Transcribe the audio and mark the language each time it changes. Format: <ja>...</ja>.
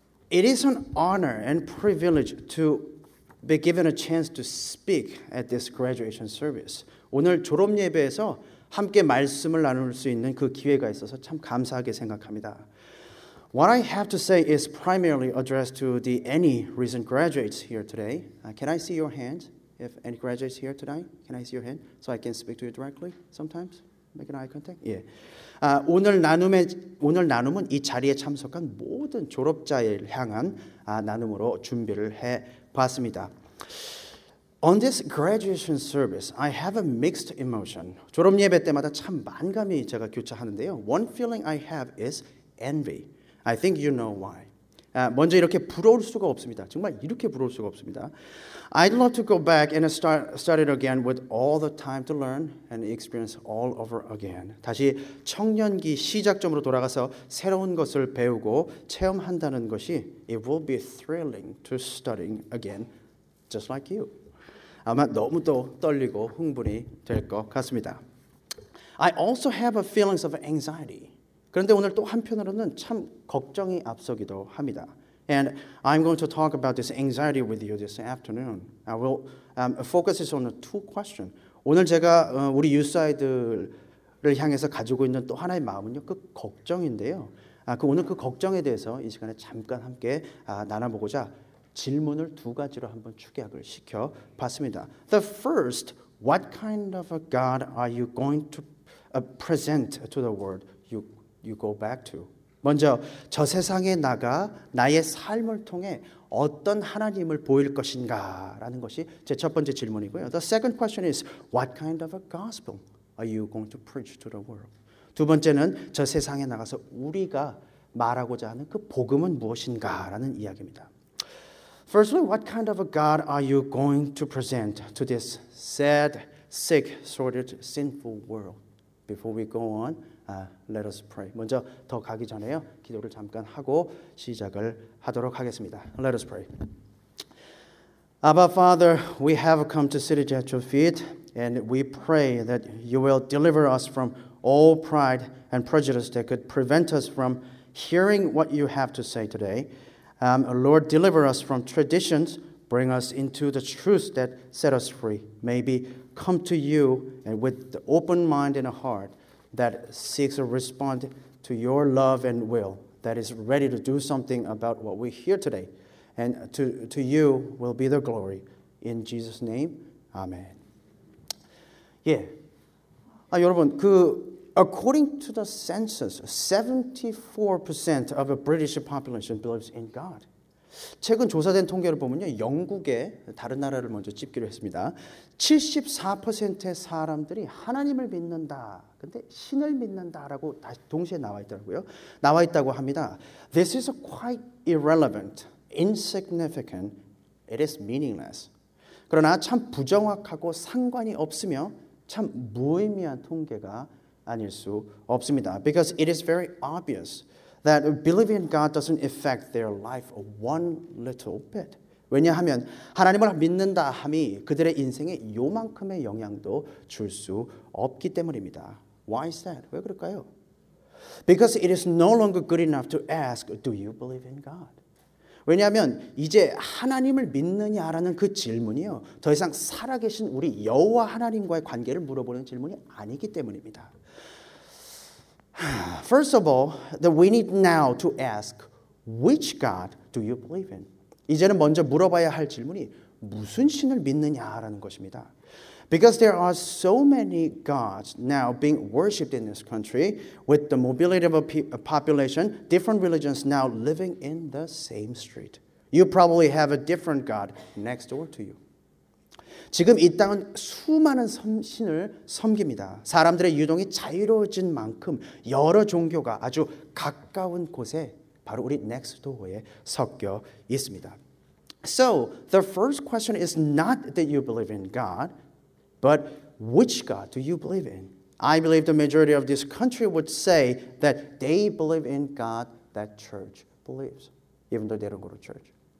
<en>It is an honor and privilege to be given a chance to speak at this graduation service.</en> <ko>오늘 졸업 예배에서 함께 말씀을 나눌 수 있는 그 기회가 있어서 참 감사하게 생각합니다.</ko> <en>What I have to say is primarily addressed to the any recent graduates here today. Can I see your hand? If any graduates here tonight, can I see your hand? So I can speak to you directly sometimes? Make an eye contact? Yeah.</en> <ko>오늘 나눔은 이 자리에 참석한 모든 졸업자에 향한 나눔으로 준비를 해봤습니다.</ko> <en>On this graduation service, I have a mixed emotion.</en> <ko>졸업 예배 때마다 참 반감이 제가 교차하는데요.</ko> <en>One feeling I have is envy. I think you know why.</en> <ko>먼저 이렇게 부러울 수가 없습니다. 정말 이렇게 부러울 수가 없습니다.</ko> <en>I'd love to go back and start it again with all the time to learn and experience all over again.</en> <ko>다시 청년기 시작점으로 돌아가서 새로운 것을 배우고 체험한다는 것이</ko> <en>It will be thrilling to studying again, just like you.</en> <ko>아마 너무 또 떨리고 흥분이 될 것 같습니다.</ko> <en>I also have a feelings of anxiety.</en> <ko>그런데 오늘 또 한편으로는 참 걱정이 앞서기도 합니다.</ko> <en>And I'm going to talk about this anxiety with you this afternoon. I will focus on two questions.</en> <ko>오늘 제가 우리 유사이드를 향해서 가지고 있는 또 하나의 마음은요, 그 걱정인데요. 그 오늘 그 걱정에 대해서 이 시간에 잠깐 함께 나눠보고자 질문을 두 가지로 한번 축약을 시켜 봤습니다.</ko> <en>The first, what kind of a God are you going to present to the world you go back to?</en> <ko>먼저 저 세상에 나가 나의 삶을 통해 어떤 하나님을 보일 것인가 라는 것이 제 첫 번째 질문이고요.</ko> <en>The second question is, what kind of a gospel are you going to preach to the world?</en> <ko>두 번째는 저 세상에 나가서 우리가 말하고자 하는 그 복음은 무엇인가 라는 이야기입니다.</ko> <en>Firstly, what kind of a God are you going to present to this sad, sick, sordid, sinful world? Before we go on, let us pray.</en> <ko>먼저 더 가기 전에요, 기도를 잠깐 하고 시작을 하도록 하겠습니다.</ko> <en>Let us pray. Abba, Father, we have come to sit at your feet, and we pray that you will deliver us from all pride and prejudice that could prevent us from hearing what you have to say today. Lord, deliver us from traditions, bring us into the truth that set us free. May we come to you and with the open mind and a heart that seeks to respond to your love and will, that is ready to do something about what we hear today. And to you will be the glory. In Jesus' name, Amen. Yeah.</en> <ko>아, 여러분, 그</ko> <en>according to the census, 74% of the British population believes in God.</en> <ko>최근 조사된 통계를 보면요, 영국의 다른 나라를 먼저 집계를 했습니다. 74%의 사람들이 하나님을 믿는다. 근데 신을 믿는다라고 동시에 나와 있더라고요. 나와 있다고 합니다.</ko> <en>This is quite irrelevant, insignificant. It is meaningless.</en> <ko>그러나 참 부정확하고 상관이 없으며 참 무의미한 통계가 아닐 수 없습니다.</ko> <en>Because it is very obvious that believing in God doesn't affect their life one little bit.</en> <ko>왜냐하면 하나님을 믿는다 함이 그들의 인생에 요만큼의 영향도 줄 수 없기 때문입니다.</ko> <en>Why is that?</en> <ko>왜 그럴까요?</ko> <en>Because it is no longer good enough to ask, do you believe in God?</en> <ko>왜냐하면 이제 하나님을 믿느냐라는 그 질문이요, 더 이상 살아계신 우리 여호와 하나님과의 관계를 물어보는 질문이 아니기 때문입니다.</ko> <en>First of all, that we need now to ask, which God do you believe in?</en> <ko>이제는 먼저 물어봐야 할 질문이 무슨 신을 믿느냐라는 것입니다.</ko> <en>Because there are so many gods now being worshipped in this country, with the mobility of a population, different religions now living in the same street. You probably have a different god next door to you.</en> <ko>지금 이 땅은 수많은 신을 섬깁니다. 사람들의 유동이 자유로워진 만큼 여러 종교가 아주 가까운 곳에 바로 우리</ko> <en>next door</en> <ko>에 섞여 있습니다.</ko> <en>So the first question is not that you believe in God, but which God do you believe in? I believe the majority of this country would say that they believe in God that church believes, even though they don't go to church.</en>